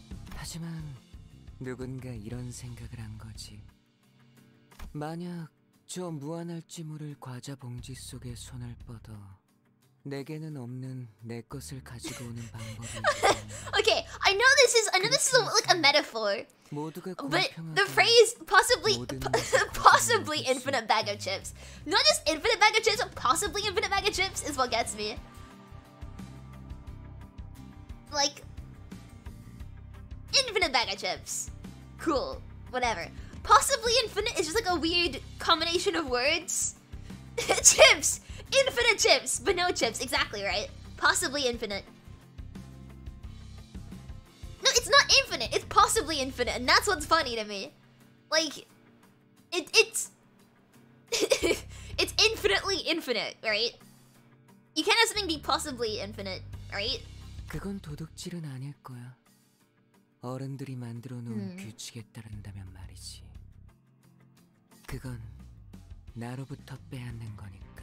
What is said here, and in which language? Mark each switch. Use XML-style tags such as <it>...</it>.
<ko>하지만 누군가 이런 생각을 한 거지. 만약 저 무한할지 모를 과자 봉지 속에 손을 뻗어 내게는 없는 내 것을 가지고 오는 방법이</ko> <en>Okay, I know this is like a metaphor. But the phrase possibly infinite bag of chips. Not just infinite bag of chips, but possibly infinite bag of chips is what gets me. Like infinite bag of chips. Cool. Whatever. Possibly infinite is just like a weird combination of words. Chips! Infinite chips, but no chips. Exactly right. Possibly infinite. No, it's not infinite. It's possibly infinite, and that's what's funny to me. Like, it's it's infinitely infinite, right? You can't have something be possibly infinite, right?</en> <ko>그건 도둑질은 아닐 거야. 어른들이 만들어 놓은 규칙에 따른다면 말이지. 그건 나로부터 빼앗는 거니까.</ko>